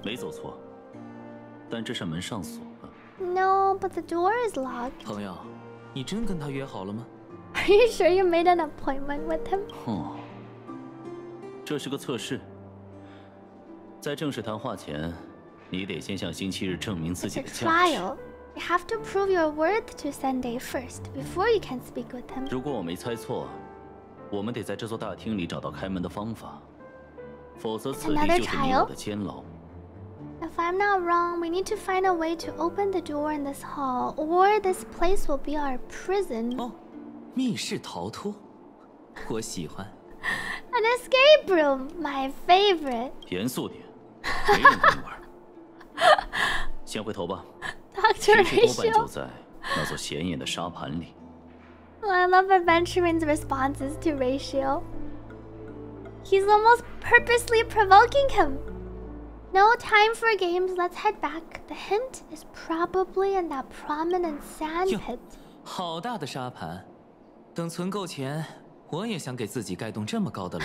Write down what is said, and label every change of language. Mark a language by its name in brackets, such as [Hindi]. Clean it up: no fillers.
[Chinese] 没走错, 但这扇门上锁了。 [English] No, but the door is locked. [Chinese] 朋友, 你真跟他约好了吗？ [English] Are you sure you made an appointment with him? [Chinese] 这是个测试。在正式谈话前，你得先向星期日证明自己的价值。 [English] You have to prove your worth to Sunday first before you can speak with him. [Chinese] 如果我没猜错，我们得在这座大厅里找到开门的方法，否则此地就是你我的监牢。 [English] If I'm not wrong, we need to find a way to open the door in this hall, or this place will be our prison. [Chinese] Oh, 密室逃脱，我喜欢。 [English] An escape room, my favorite. [Chinese] 严肃点，没人跟你玩。先回头吧。 [English] Doctor Rachel. [Chinese] 多半就在那座显眼的沙盘里。 [English] I love Aventurine's responses to Rachel. He's almost purposely provoking him. No time for games, let's head back. The hint is probably in that prominent sand pit. [Chinese] 好大的沙盘。等存够钱，我也想给自己盖栋这么高的楼。